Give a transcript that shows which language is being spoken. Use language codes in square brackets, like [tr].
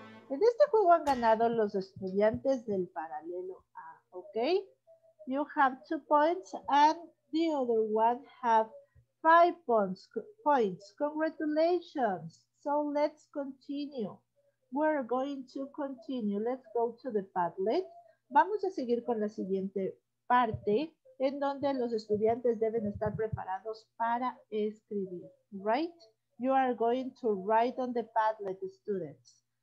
[es] En este juego han ganado los estudiantes del paralelo A, ¿ok? [en] You have 2 points and the other one have 5 points. Congratulations. So let's continue. We're going to continue. Let's go to the Padlet. [es] Vamos a seguir con la siguiente parte en donde los estudiantes deben estar preparados para escribir, right? [en] You are going to write on the Padlet, students.